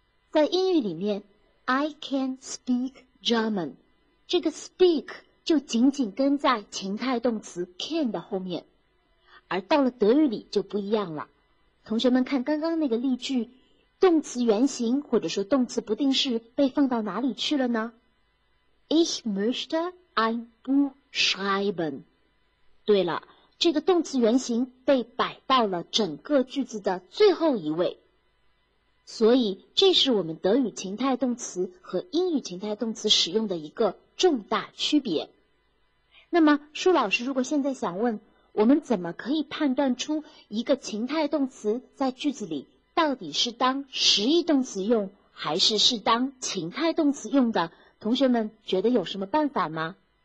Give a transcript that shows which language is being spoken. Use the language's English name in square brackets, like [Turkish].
[Chinese] 在英语里面 [English] I can speak German， [Chinese] 这个 speak 就仅仅跟在情态动词 can 的后面，而到了德语里就不一样了。同学们看刚刚那个例句，动词原形或者说动词不定式被放到哪里去了呢？ [German] Ich möchte ein Buch schreiben。 [Chinese] 对了，这个动词原形被摆到了整个句子的最后一位。所以这是我们德语情态动词和英语情态动词使用的一个重大区别。那么舒老师如果现在想问，我们怎么可以判断出一个情态动词在句子里到底是当实义动词用还是是当情态动词用的，同学们觉得有什么办法吗？